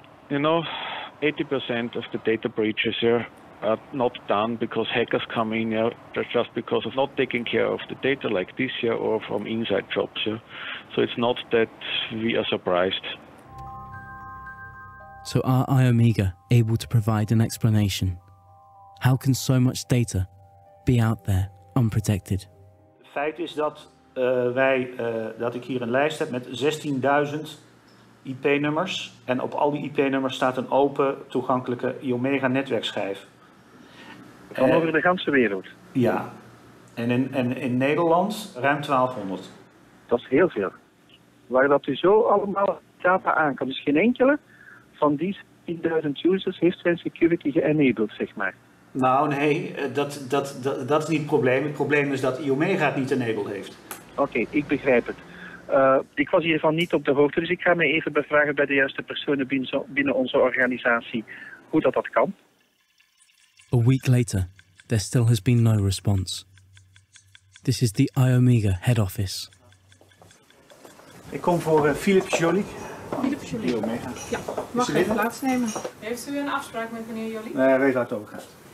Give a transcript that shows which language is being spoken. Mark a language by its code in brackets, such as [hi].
[en] You know, 80% of the data breaches here are not done because hackers come in here, yeah, just because of not taking care of the data like this year, or from inside jobs. Yeah. So it's not that we are surprised. So are iOmega able to provide an explanation? How can so much data be out there unprotected? [nl] Het feit is dat dat ik hier een lijst heb met 16.000 IP-nummers. En op al die IP-nummers staat een open toegankelijke iOmega netwerkschijf. Van over de ganse wereld? Ja. En in Nederland ruim 1200. Dat is heel veel. Waar dat u zo allemaal data aan kan, dus geen enkele van die 10.000 users heeft zijn security geenabled, zeg maar. Nou nee, dat is niet het probleem. Het probleem is dat iOmega het niet enabled heeft. Oké, ik begrijp het. Ik was hiervan niet op de hoogte, dus ik ga me even bevragen bij de juiste personen binnen onze organisatie hoe dat kan. [en] A week later, there still has been no response. This is the iOmega head office. [nl] Ik kom voor Philip Jolik. Philip Jolik. Ja, mag ik plaatsnemen? Heeft u een afspraak met meneer Jolik? Nee, hij weet waar het over gaat.